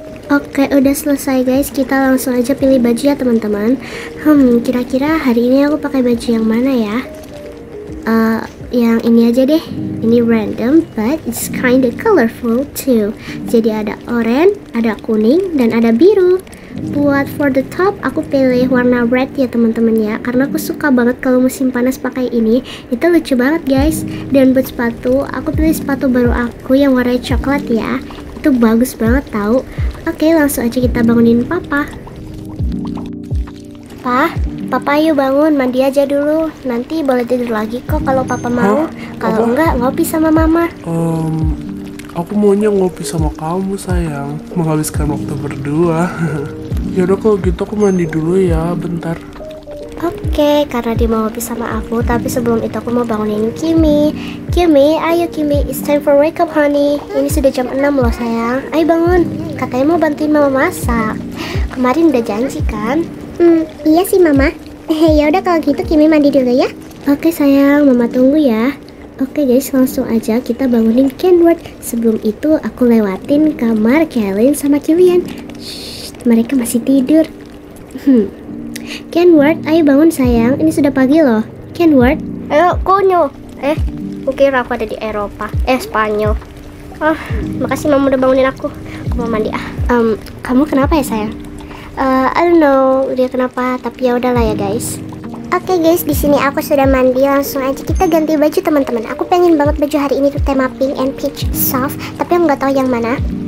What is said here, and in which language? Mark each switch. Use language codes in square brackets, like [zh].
[id] Oke, udah selesai guys. Kita langsung aja pilih baju ya teman-teman. Kira-kira hari ini aku pakai baju yang mana ya? Yang ini aja deh. Ini random, [en] but it's kinda colorful too. [id] Jadi ada oranye, ada kuning, dan ada biru. Buat [en] for the top, [id] aku pilih warna red ya teman-teman ya. Karena aku suka banget kalau musim panas pakai ini. Itu lucu banget guys. Dan buat sepatu, aku pilih sepatu baru aku yang warna coklat ya. Itu bagus banget tau. Oke, langsung aja kita bangunin papa. Papa ayo bangun, mandi aja dulu. Nanti boleh tidur lagi kok kalau papa mau. Kalau enggak, ngopi sama mama. Aku maunya ngopi sama kamu sayang, menghabiskan waktu berdua. Yaudah kalau gitu aku mandi dulu ya, bentar. Oke, karena dia mau ngopi sama aku, tapi sebelum itu aku mau bangunin Kimi. [en] Kimi, [id] ayo [en] Kimi, it's time for wake up honey. [id] Ini sudah jam 6 loh sayang, ayo bangun. Katanya mau bantuin mama masak. Kemarin udah janji kan? Iya sih mama. Yaudah kalau gitu Kimi mandi dulu ya. Oke sayang, mama tunggu ya. Oke guys, langsung aja kita bangunin Kenward. Sebelum itu aku lewatin kamar Kaelin sama Killian. Shh, mereka masih tidur. Kenward, ayo bangun sayang, ini sudah pagi loh. Kenward, ayo konyol. Mungkin aku ada di Eropa. Spanyol. Makasih mama udah bangunin aku. Aku mau mandi ah. Kamu kenapa ya sayang? [en] I don't know [id] dia kenapa, tapi ya udahlah ya guys. Oke guys, di sini aku sudah mandi, langsung aja kita ganti baju teman-teman. Aku pengen banget baju hari ini tuh tema [en] pink and peach soft, [id] tapi aku nggak tahu yang mana.